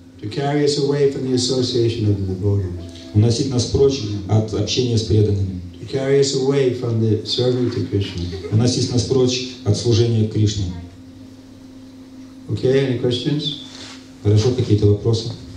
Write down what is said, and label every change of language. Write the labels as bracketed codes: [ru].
[en] To carry us away from the association of the devotees. [ru] Уносить нас прочь от общения с преданными. [en] To carry us away from the serving to Krishna. [ru] Уносить нас прочь от служения Кришне. [en] Okay, any questions? [ru] Хорошо, какие-то вопросы?